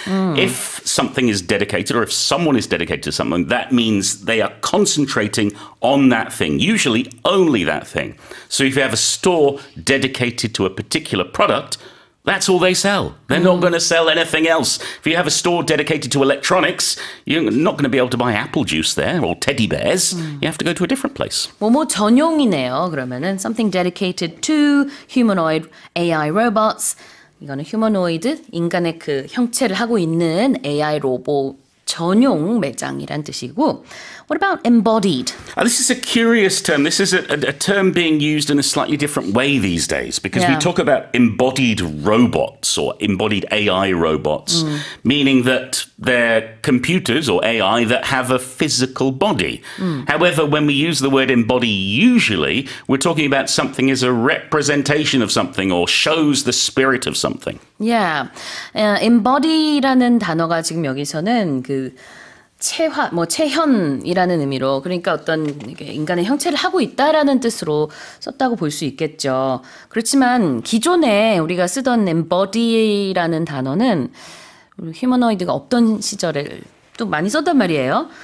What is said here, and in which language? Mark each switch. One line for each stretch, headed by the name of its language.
English: If something is dedicated or if someone is dedicated to something, that means they are concentrating on that thing, usually only that thing. So if you have a store dedicated to a particular product, that's all they sell. They're not going to sell anything else. If you have a store dedicated to electronics, you're not going to be able to buy apple juice there or teddy bears. You have to go to a different place.
Korean: 뭐 전용이네요, 그러면은.
English: Something dedicated to humanoid AI robots.
Korean: 이거는 휴머노이드, 인간의 그 형체를 하고 있는 AI 로봇 전용 매장이란 뜻이고.
English: What about embodied? This is a curious term. This is a term being used in a slightly different way these days because we talk about embodied robots or embodied AI robots, meaning that they're computers or AI that have a physical body. However, when we use the word embody, usually we're talking about something as a representation of something or shows the spirit of something. Yeah.
Korean: Embody라는 단어가 지금 여기서는 그 체화, 뭐 체현이라는 의미로 그러니까 어떤 인간의 형체를 하고 있다라는 뜻으로 썼다고 볼 수 있겠죠. 그렇지만 기존에 우리가 쓰던 embody라는 단어는 휴머노이드가 없던 시절에 또 많이 썼단 말이에요.